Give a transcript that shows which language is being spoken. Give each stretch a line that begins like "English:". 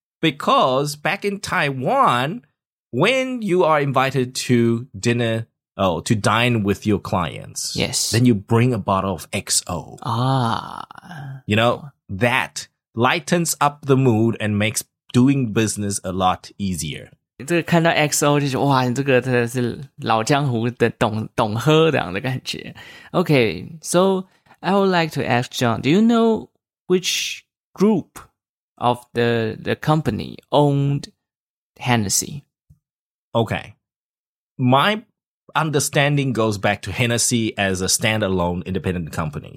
English: Because back in Taiwan, when you are invited to dinner, to dine with your clients. Yes. Then you bring a bottle of XO. Ah. You know, that... lightens up the mood and makes doing business a lot easier.
Chinese: 这个看到 XO 就觉得哇你这个真的是老江湖的 懂喝这样的感觉。
English: Okay, so I would like to ask John, do you know which group of the company owned Hennessy? Okay, my understanding goes back to Hennessy as a standalone independent company.